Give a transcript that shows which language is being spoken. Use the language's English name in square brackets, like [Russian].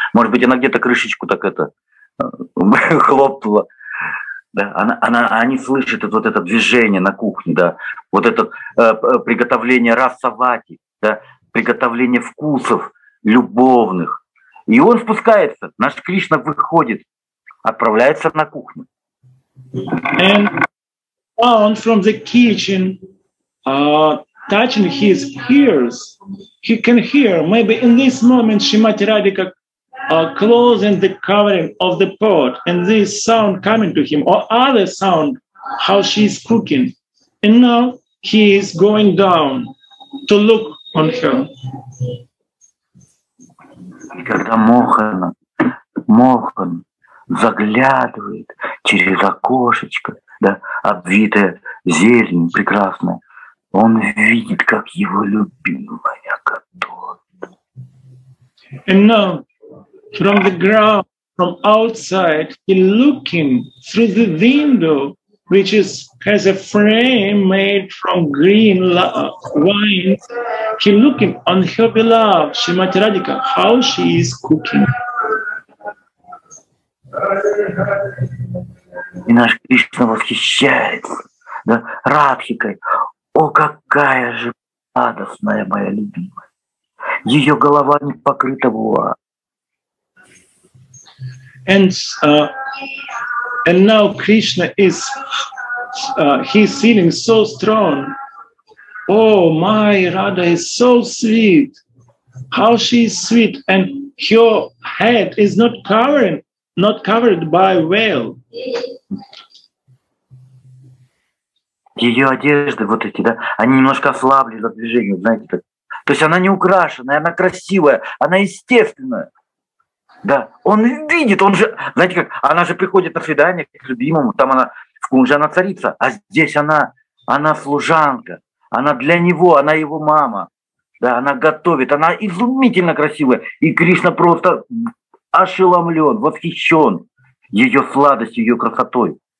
[Russian] Может быть, она где-то крышечку так это хлопнула. Да? Они слышат вот это движение на кухне, да, вот это приготовление расавати, да, приготовление вкусов любовных. И он спускается, наш Кришна выходит, отправляется на кухню. [English] Down from the kitchen, touching his ears, he can hear. Maybe in this moment, Shrimati Radhika closing the covering of the pot, and this sound coming to him, or other sound, how she is cooking. And now he is going down to look on her. [Russian] Когда Мохан заглядывает через окошечко. Да, обвитая зелень прекрасная, он видит, как его любимая готова. [English] And now, from the ground, from outside, he looking through the window, which is has a frame made from green vines, he looking on her beloved Shrimati Radhika, how she is cooking. [Russian] И наш Кришна восхищается, да, Радхикой. О, какая же радостная моя любимая! Ее голова не покрыта вуалью. [English] And now Krishna is he's feeling so strong. Oh, my Radha is so sweet. How she is sweet, and her head is not covered by veil. [Russian] Ее одежды вот эти, да, они немножко ослабли за движение, знаете, так. То есть она не украшенная, она красивая, она естественная. Да, он видит, он же, знаете как, она же приходит на свидание к любимому, там она, в Кунже она царица, а здесь она служанка, она для него, она его мама, да, она готовит, она изумительно красивая, и Кришна просто ошеломлен, восхищен ее сладостью, ее красотой.